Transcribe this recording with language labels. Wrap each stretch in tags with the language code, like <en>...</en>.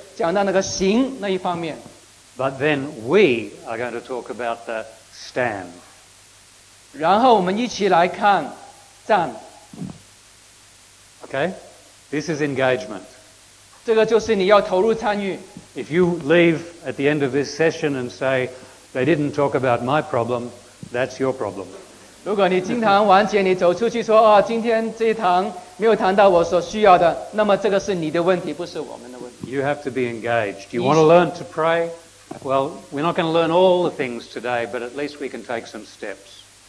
<zh>然后我会用时间来讲一讲，我们一起来做，就是讲到那个行那一方面。</zh> <en>But then we are going to talk about the stand.</en> <zh>然后我们一起来看站。</zh> <en>Okay, this is engagement.</en> <zh>这个就是你要投入参与。</zh> <en>If you leave at the end of this session and say, they didn't talk about my problem, that's your problem.</en> <zh>如果你经常完结，你走出去说：“哦，今天这一堂没有谈到我所需要的。”那么这个是你的问题，不是我们的问题。</zh> <en>You have to be engaged. Do you want to learn to pray? Well, we're not going to learn all the things today, but at least we can take some steps.</en>